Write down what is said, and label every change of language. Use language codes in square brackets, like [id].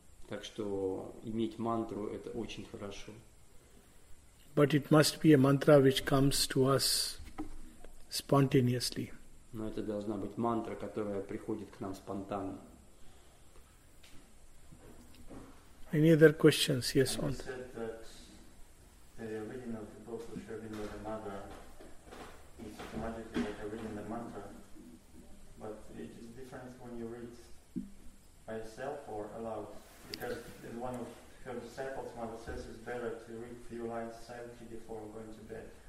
[ru] Так что иметь мантру – это очень хорошо. [en] But it must be a mantra which comes to us spontaneously. [ru] Но это должна быть мантра, которая приходит к нам спонтанно. [en] Any other questions? Yes, on. You said that the reading of the book which you're reading with the mantra is automatically like reading the mantra, but it is different when you read by yourself or aloud, because one of her disciples, Mother, says it's better to read a few lines silently before going to bed.